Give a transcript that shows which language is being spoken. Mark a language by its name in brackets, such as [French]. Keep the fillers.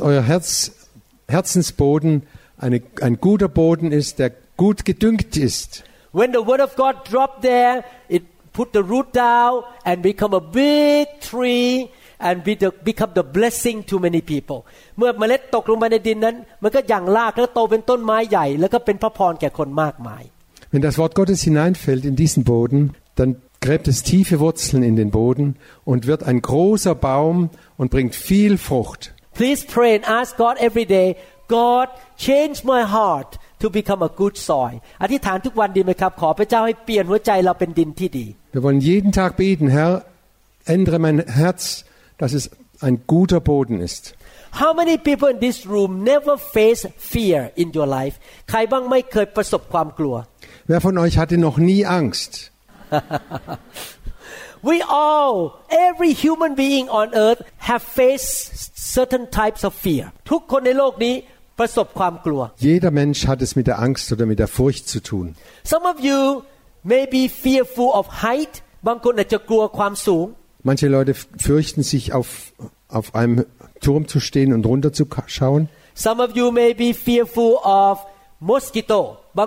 [German] euer Herz, Herzensboden eine, ein guter Boden ist, der gut gedüngt ist. [English] When the word of God dropped there, it put the root down and become a big tree. and be the, become the blessing to many people [Thai] เมื่อเมล็ดตกลงไปในดินนั้น มันก็ยังรากแล้วโตเป็นต้นไม้ใหญ่ แล้วก็เป็นพระพรแก่คนมากมาย [German] Wenn das Wort Gottes hineinfällt in diesen Boden dann gräbt es tiefe Wurzeln in den Boden und wird ein großer Baum und bringt viel Frucht [English] Please pray and ask God every day God change my heart to become a good soil [Thai] อธิษฐานทุกวันดีไหมครับขอพระเจ้าให้เปลี่ยนหัวใจเราเป็นดินที่ดี [German] Wir wollen jeden Tag beten Herr ändere mein Herz dass es ein guter Boden ist. [English] How many people in this room never face fear in your life? [Thai] ใครบ้างไม่เคยประสบความกลัว? [German] Wer von euch hatte noch nie Angst? [English] we all, every human being on earth have faced certain types of fear. [Thai] ทุกคนในโลกนี้ประสบความกลัว. [German] Jeder Mensch hat es mit der Angst oder mit der Furcht zu tun. [English] Some of you may be fearful of height. [Thai] บางคนอาจจะกลัวความสูง. [German] Manche Leute fürchten sich auf, auf einem Turm zu stehen und runterzuschauen. [English] Some of you may be fearful of mosquito.